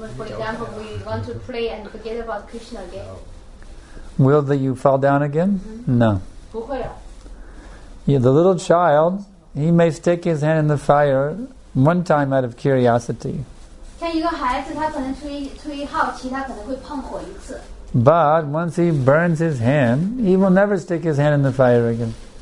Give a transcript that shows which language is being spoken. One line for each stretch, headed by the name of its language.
English: For example, we want to play and forget about Krishna again. Will that you fall down again? No.
Chinese: 不会啊。
English: Yeah, the little child, he may stick his hand in the fire one time out of curiosity.
Chinese: 像一个孩子，他可能出于好奇，他可能会碰火一次。
English: But once he burns his hand, he will never stick his hand in the fire again.